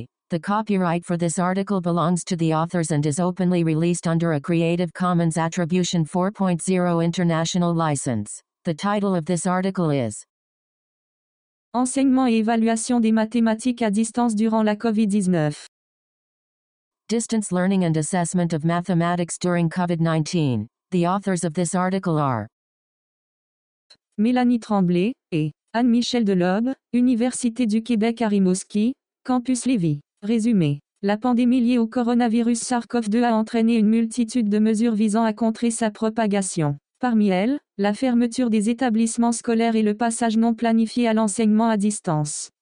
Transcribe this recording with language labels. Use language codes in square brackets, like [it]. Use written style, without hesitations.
[en] The copyright for this article belongs to the authors and is openly released under a Creative Commons Attribution 4.0 International License. The title of this article is [fr] Enseignement et évaluation des mathématiques à distance durant la COVID-19. [en] Distance learning and assessment of mathematics during COVID-19. The authors of this article are [fr] Mélanie Tremblay et Anne-Michel Deloeb, Université du Québec à Rimouski, Campus Lévis. Résumé. La pandémie liée au coronavirus SARS-CoV-2 a entraîné une multitude de mesures visant à contrer sa propagation. Parmi elles, la fermeture des établissements scolaires et le passage non planifié à l'enseignement à distance.